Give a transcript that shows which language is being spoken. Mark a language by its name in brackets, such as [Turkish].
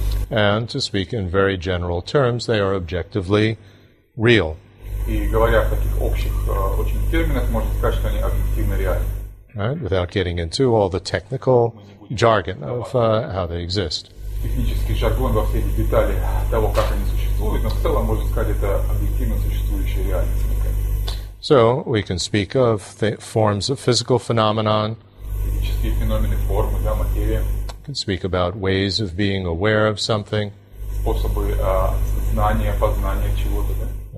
[English] And to speak in very general terms, they are objectively real. Right, without getting into all the technical jargon of how they exist. [Russian] Технический жаргон во все эти детали того, как они существуют, но в целом можно сказать, это объективно существующая реальность. [English] So we can speak of the forms of physical phenomenon. [Russian] Физические феномены, формы, да, материя. [English] We can speak about ways of being aware of something. [Russian] Способы знания, познания чего-то, да.